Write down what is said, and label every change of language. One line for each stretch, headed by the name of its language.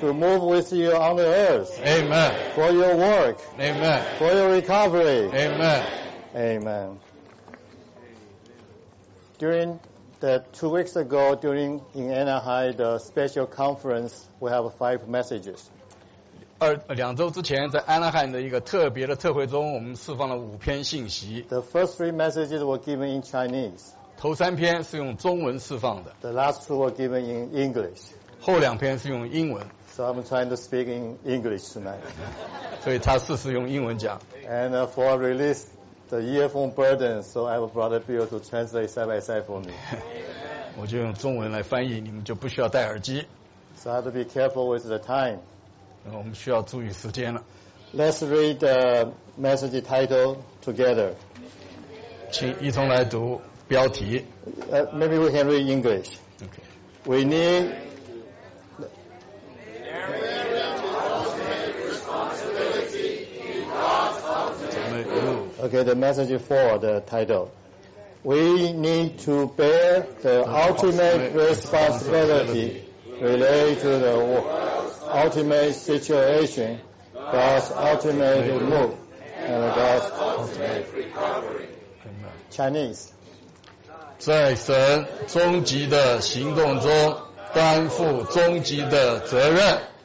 English: To move with you on the earth. Amen. For your work. Amen. For your recovery. Amen. Amen. During the 2 weeks ago, during in Anaheim, the special conference, we have five messages.
Chinese: 2周之前，在 Anaheim 的一个特别的特会中，我们释放了五篇信息。
English: The first three messages were given in Chinese.
Chinese: 头三篇是用中文释放的。
English: The last two were given in English.
Chinese: 后两篇是用英文。
English: So I'm trying to speak in English tonight.
Chinese: 所以他试试用英文讲。
English: And for release. The earphone burden, so I will brother Bill to translate side by side for me.
Chinese: 我就用中文来翻译，你们就不需要戴耳机。
English: So I have to be careful with the time.
Chinese: 我们需要注意时间了。
English: Let's read the message title together.
Chinese: 请一同来读标题。
English: Maybe we can read English. Okay. We need. Okay, the message for the title. We need to bear the ultimate responsibility related to the ultimate situation, God's ultimate move, and God's ultimate recovery. Chinese.
Chinese: 在神终极的行动中担负终极的责任。